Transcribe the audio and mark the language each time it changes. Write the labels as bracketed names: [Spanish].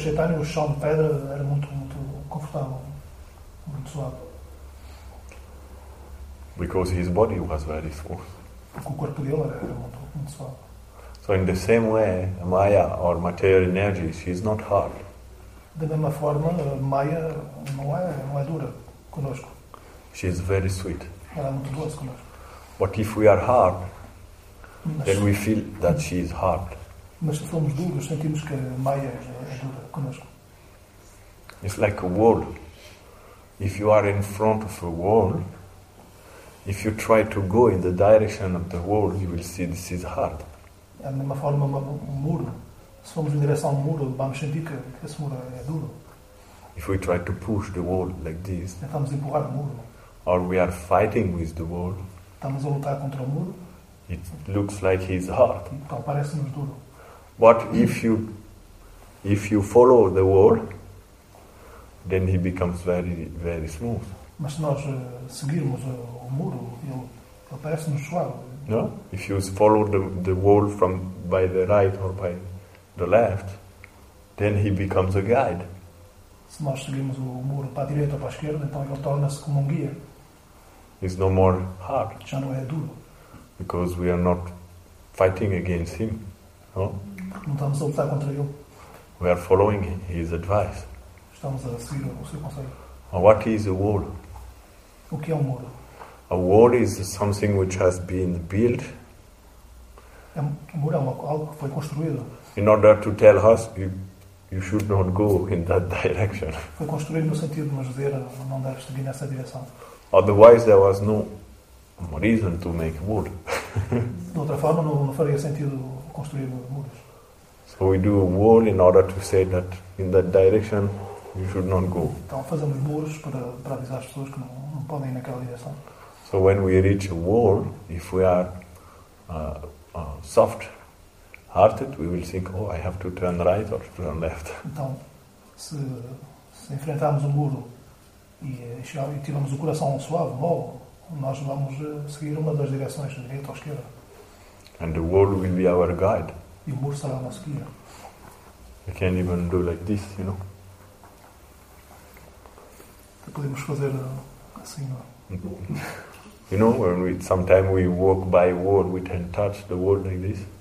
[Portuguese] Chaitanya, o chão de pedra era muito, muito confortável, muito suave. [English] Because his body was very smooth. [Portuguese] Porque o corpo dele era muito, muito suave. [English] So in the same way, Maya or material energy, she is not hard. [Portuguese] Da mesma forma, Maya não é dura conosco. [English] She is very sweet. [Portuguese] Ela é muito doce conosco. [English] But if we are hard, then we feel that she is hard. [Portuguese] Mas se formos duros, sentimos que Maya é dura conosco. [English] It's like a wall. If you are in front of a wall, if you try to go in the direction of the wall, you will see this is hard. [Portuguese] É da mesma forma um muro. Se formos em direção ao muro, vamos sentir que esse muro é duro. [English] If we try to push the wall like this, [Portuguese] tentamos empurrar o muro. [English] Or we are fighting with the wall, [Portuguese] estamos a lutar contra o muro. [English] It looks like he's hard. [Portuguese] Então parece-nos duro. [English] But if you follow the wall, then he becomes very, very smooth. [Portuguese] Mas se nós seguirmos o muro, ele parece-nos suave. [English] No, if you follow the wall from by the right or by the left, then he becomes a guide. [Portuguese] Se nós seguimos o muro para a direita ou para a esquerda, então ele torna-se como um guia. [English] It's no more hard. [Portuguese] Já não é duro. [English] Because we are not fighting against him, no? [Portuguese] Não estamos a lutar contra ele. [English] We are following his advice. [Portuguese] Estamos a seguir o seu conselho. [English] What is a wall? [Portuguese] O que é muro? [English] A wall is something which has been built. [Portuguese] Muro é algo que foi construído. [English] In order to tell us, you should not go in that direction. [Portuguese] Foi construído no sentido de nos dizer não deves seguir nessa direção. [English] Otherwise, there was no reason to make wood. [Portuguese] De outra forma, não faria sentido construir muros. [English] So we do a wall in order to say that in that direction you should not go. [Portuguese] Então fazemos muros para avisar as pessoas que não podem ir naquela direção. [English] So when we reach a wall, if we are soft-hearted, we will think, oh, I have to turn right or turn left. [Portuguese] Então, se enfrentarmos um muro e tivermos o coração suave, bom, nós vamos seguir uma das direções, direita ou esquerda. [English] And the wall will be our guide. [Portuguese] E o muro será a nossa guia. [English] I can't even do like this, you know. [Portuguese] Podemos fazer assim, não? [English] You know, when we sometimes we walk by wall, we can touch the wall like this.